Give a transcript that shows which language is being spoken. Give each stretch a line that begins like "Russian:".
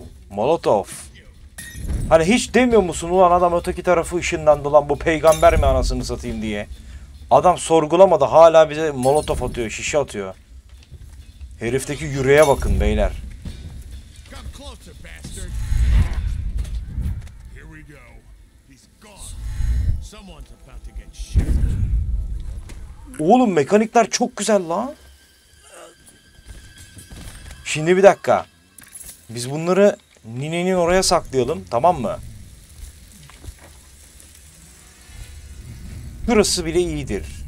Turkish: Molotov. Hani hiç demiyor musun ulan adam öteki tarafı ışınlandı lan, bu peygamber mi anasını satayım diye. Adam sorgulamadı, hala bize molotof atıyor, şişe atıyor. Herifteki yüreğe bakın beyler.
English: Come closer, bastard. Here we go. He's gone. Someone's about to get shot.
Turkish: Oğlum mekanikler çok güzel lan. Şimdi bir dakika. Biz bunları ninenin oraya saklayalım, tamam mı? Burası bile iyidir.